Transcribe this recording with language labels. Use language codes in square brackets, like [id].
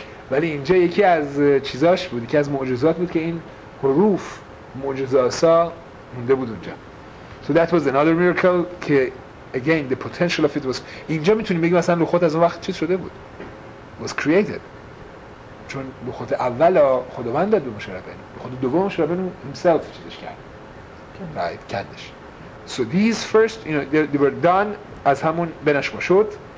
[fa] ولی اینجا یکی از چیزاش بود، یکی از معجزات بود که این حروف معجزه آسا مونده بود اونجا. [en] So that was another miracle که again the potential of it was. [fa] اینجا میتونیم بگیم مثلا لوخوت از اون وقت چیز شده بود، [en] was created، [fa] چون لوخوت اول خداوند داد به موشه رابینو، لوخوت دوم موشه رابینو himself چیزش کرد، right، کردش. [en] So these first, you know, they were done [fa] از همون بنشما شد.